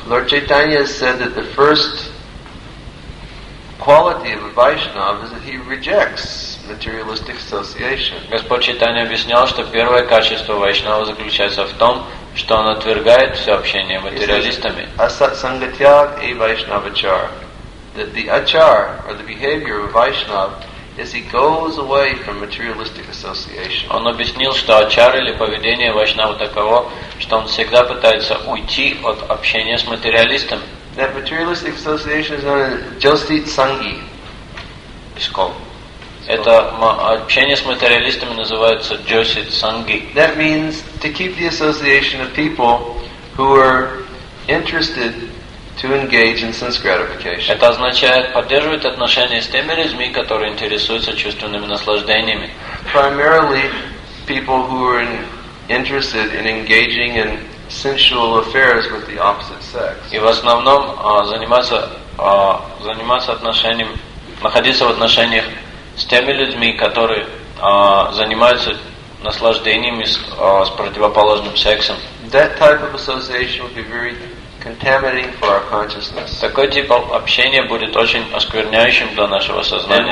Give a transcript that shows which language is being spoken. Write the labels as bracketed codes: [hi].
[en] Lord Chaitanya said that the first quality of a Vaishnava is that he rejects materialistic association. [ru] Господь Чайтанья объяснял, что первое качество вайшнава заключается в том, что он отвергает все общение материалистами. [bn] Asat sangatyag e vaishnavachar. [en] That the achar or the behavior of a Vaishnava as he goes away from materialistic association. [ru] Он объяснил, что ачар или поведение вайшнава таково, что он всегда пытается уйти от общения с материалистом. [en] That materialistic association is known as jostit sanghi. Искол. [ru] Это общение с материалистами называется jostit sanghi. [en] That means to keep the association of people who are interested to engage in sense gratification. [ru] Это означает поддерживать отношения с теми людьми, которые интересуются чувственными наслаждениями. [en] Primarily, people who are interested in engaging in sensual affairs with the opposite sex. [ru] И в основном заниматься отношением, находиться в отношениях с теми людьми, которые занимаются наслаждениями с противоположным сексом. [en] That type of association would be very contaminating for our consciousness. [ru] Такой тип общения будет очень оскверняющим для нашего сознания.